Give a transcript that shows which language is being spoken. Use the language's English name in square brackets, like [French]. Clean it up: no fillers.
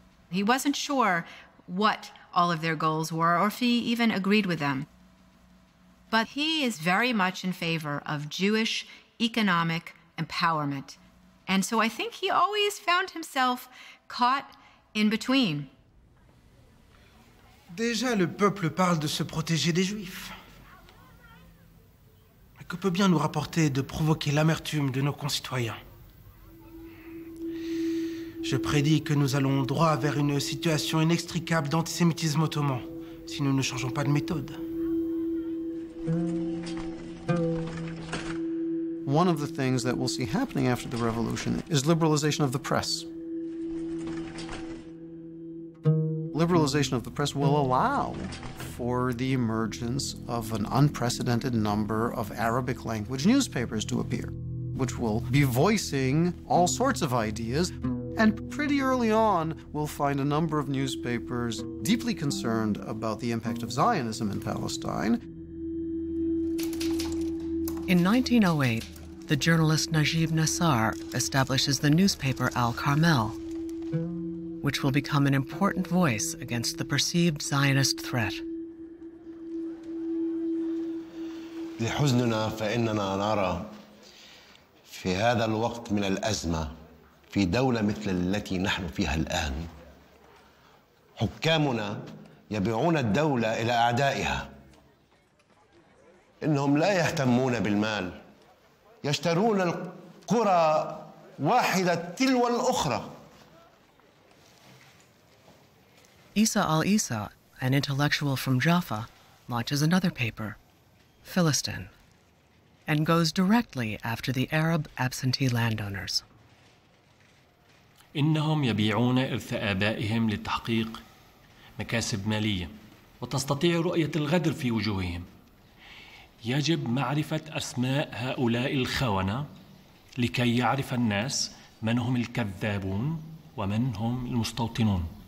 [English] He wasn't sure what all of their goals were or if he even agreed with them. But he is very much in favor of Jewish economic empowerment. And so I think he always found himself caught in between. [French] Déjà, le peuple parle de se protéger des Juifs. Que peut bien nous rapporter de provoquer l'amertume de nos concitoyens? Je prédis que nous allons droit vers une situation inextricable d'antisémitisme ottoman si nous ne changeons pas de méthode. [English] One of the things that we'll see happening after the revolution is liberalization of the press. Liberalization of the press will allow for the emergence of an unprecedented number of Arabic language newspapers to appear, which will be voicing all sorts of ideas. And pretty early on, we'll find a number of newspapers deeply concerned about the impact of Zionism in Palestine. In 1908, the journalist Najib Nassar establishes the newspaper Al Carmel, which will become an important voice against the perceived Zionist threat. [Arabic] لحزننا فإننا نرى في هذا الوقت من الأزمة في دولة مثل التي نحن فيها الآن حكامنا يبيعون الدولة إلى أعدائها. إنهم لا يهتمون بالمال، يشترون القرى واحدة تلو الأخرى. [English] Isa al-Isa, an intellectual from Jaffa, launches another paper, Philistine, and goes directly after the Arab absentee landowners. [Arabic] إنهم يبيعون إرث آبائهم للتحقيق مكاسب مالية، وتستطيع رؤية الغدر في وجوههم. يجب معرفة أسماء هؤلاء الخونة لكي يعرف الناس من هم الكذابون ومن هم المستوطنون.